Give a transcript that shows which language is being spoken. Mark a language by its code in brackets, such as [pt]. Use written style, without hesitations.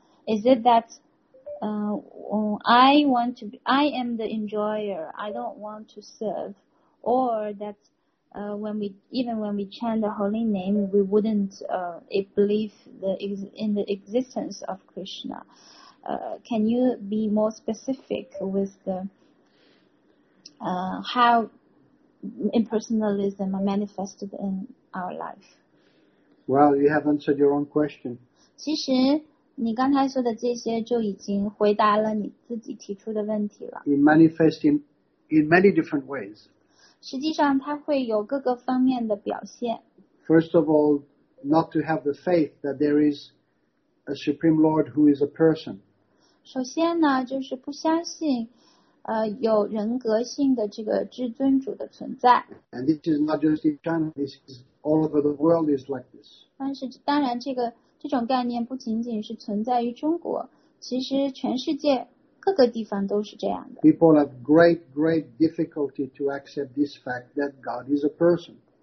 [en] Is it that I am the enjoyer, I don't want to serve, or that when we chant the holy name, we wouldn't believe in the existence of Krishna? Can you be more specific with how impersonalism manifested in us? Our life. Well, you have answered your own question. [zh] 其实你刚才说的这些就已经回答了你自己提出的问题了。 [en] It manifests in many different ways. [zh] 实际上它会有各个方面的表现。 [en] First of all, not to have the faith that there is a Supreme Lord who is a person. [zh] 首先呢，就是不相信有人格性的这个至尊主的存在。 [en] And this is not just in China, this is all over the world is like this. [zh] 但是当然这种概念不仅仅是存在于中国，其实全世界各个地方都是这样的。 [en] People have great, great difficulty to accept this fact that God is a person.